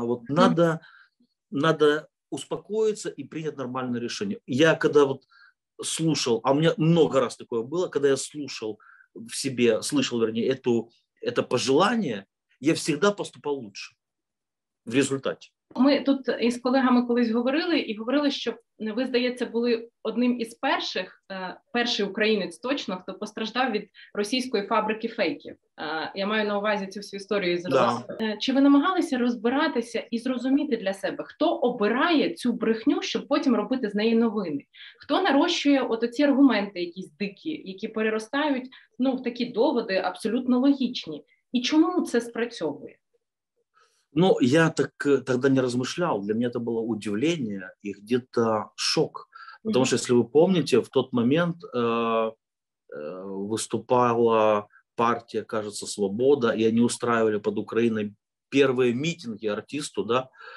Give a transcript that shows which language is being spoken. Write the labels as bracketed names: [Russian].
[Russian] Вот надо успокоиться и принять нормальное решение. Я когда вот слушал, а у меня много раз такое было, когда я слушал в себе, слышал, вернее, это пожелание, я всегда поступал лучше в результате. [Ukrainian] Ми тут із колегами колись говорили, і говорили, що ви, здається, були одним із перших, перший українець точно, хто постраждав від російської фабрики фейків. Я маю на увазі цю всю історію з Росії. Да. Чи ви намагалися розбиратися і зрозуміти для себе, хто обирає цю брехню, щоб потім робити з неї новини? Хто нарощує от оці аргументи якісь дикі, які переростають, ну, в такі доводи абсолютно логічні? І чому це спрацьовує? [Russian] Ну, я так тогда не размышлял. Для меня это было удивление и где-то шок. Потому что, если вы помните, в тот момент выступала партия, кажется, «Свобода», и они устраивали под Украиной первые митинги артисту, да?